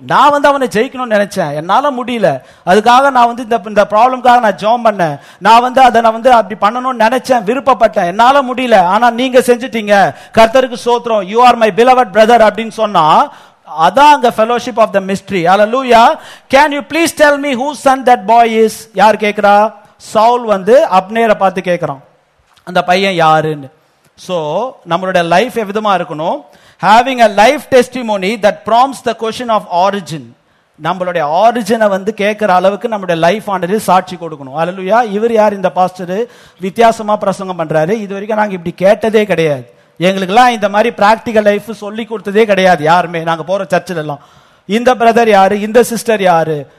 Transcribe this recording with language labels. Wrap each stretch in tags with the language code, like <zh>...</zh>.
<ta>நான் வந்து அவனை ஜெயிக்கணும்னு நினைச்சேன், என்னால முடியல, அதுக்காக நான் வந்து இந்த ப்ராப்ளம்காக நான் ஜோம் பண்ணேன், நான் வந்து அதை நான் வந்து அப்படி பண்ணணும்னு நினைச்சேன், விருப்பப்பட்டேன், என்னால முடியல, நீங்க செஞ்சிட்டீங்க, கர்த்தருக்கு சோத்திரம்,</ta> <en>you are my beloved brother</en> <ta>அப்படின்னு சொன்னா அதான் அந்த</ta> <en>fellowship of the mystery. Hallelujah. Can you please tell me whose son that boy is?</en> <ta>யார் கேக்குறா? சவுல் வந்து அப்னேரை பார்த்து கேக்குறான், அந்த பையன் யாருன்னு. சோ நம்மளுடைய லைஃப் எவ்விதமா இருக்கணும்?</ta> <en>Having a life testimony that prompts the question of origin.</en> <ta>நம்மளுடைய ஆரிஜினை வந்து கேட்குற அளவுக்கு நம்மளுடைய லைஃப் ஆண்டரில் சாட்சி கொடுக்கணும். அல்லேலூயா. இவர் யார் இந்த பாஸ்டரு, வித்தியாசமாக பிரசங்கம் பண்ணுறாரு, இது வரைக்கும் நாங்கள் இப்படி கேட்டதே கிடையாது, எங்களுக்கெல்லாம் இந்த மாதிரி ப்ராக்டிக்கல் லைஃப் சொல்லி கொடுத்ததே கிடையாது யாருமே, நாங்கள் போகிற சர்ச்சிலெல்லாம் இந்த பிரதர் யார், இந்த சிஸ்டர் யார்</ta>